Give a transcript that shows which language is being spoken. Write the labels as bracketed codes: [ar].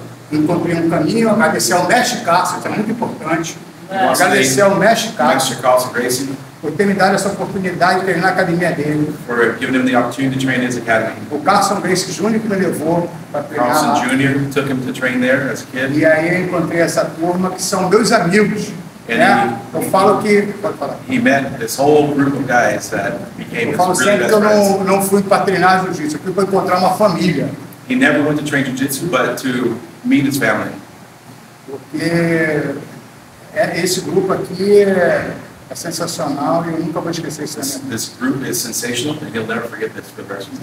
[pt] Encontrei um caminho, agradecer ao mestre Carlson, que é muito importante. Agradecer ao mestre Carlson, Gracie, por ter me dado essa oportunidade de treinar na academia dele. [en] For giving him the opportunity to train his academy. [pt] O Carlson Gracie Jr. que me levou para treinar. [en] Carlson Jr. took him to train there as a kid. [pt] E aí encontrei essa turma que são meus amigos. And né? Eu falo que [en] he met this whole group of guys that became his really best friends. [pt] Eu não fui para treinar jiu-jitsu, eu fui para encontrar uma família. [en] He never went to train jiu-jitsu, but to meet his family. [pt] Porque esse grupo aqui é sensacional e eu nunca vou esquecer isso. [en] This group is sensational, and he'll never forget this for the rest of his